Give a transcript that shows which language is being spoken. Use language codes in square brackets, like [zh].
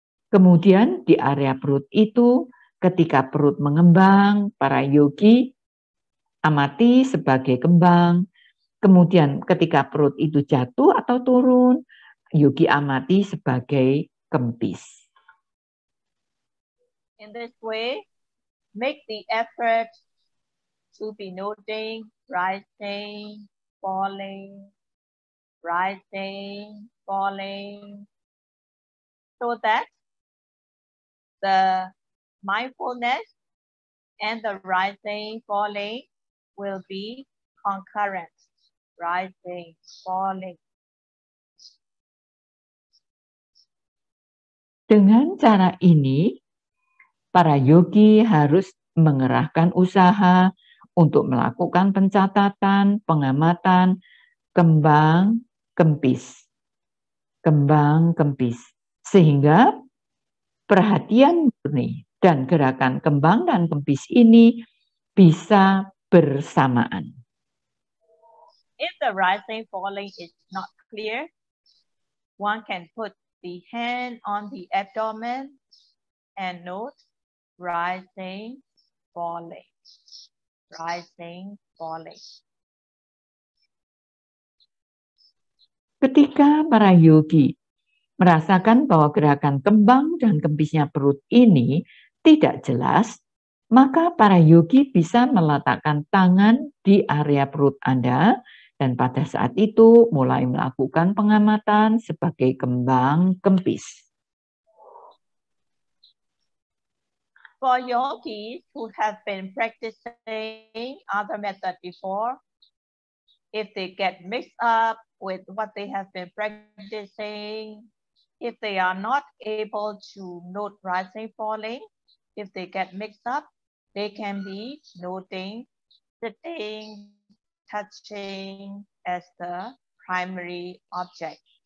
[id] Kemudian di area perut itu, ketika perut mengembang, para yogi amati sebagai kembang. Kemudian ketika perut itu jatuh atau turun, yogi amati sebagai kempis. [en] In this way, make the effort to be noting rising, falling, rising, falling, so that the mindfulness and the rising, falling will be concurrent, rising, falling. [id] Dengan cara ini, para yogi harus mengerahkan usaha untuk melakukan pencatatan, pengamatan, kembang, kempis. Kembang, kempis. Sehingga perhatian murni dan gerakan kembang dan kempis ini bisa bersamaan. [en] If the rising falling is not clear, one can put the hand on the abdomen and note rising, falling, rising, falling. [id] Ketika para yogi merasakan bahwa gerakan kembang dan kempisnya perut ini tidak jelas, maka para yogi bisa meletakkan tangan di area perut Anda dan pada saat itu mulai melakukan pengamatan sebagai kembang kempis. [en] For yogis who have been practicing other method before, if they get mixed up with what they have been practicing, if they are not able to note rising falling, if they get mixed up, they can be noting sitting, touching as the primary object.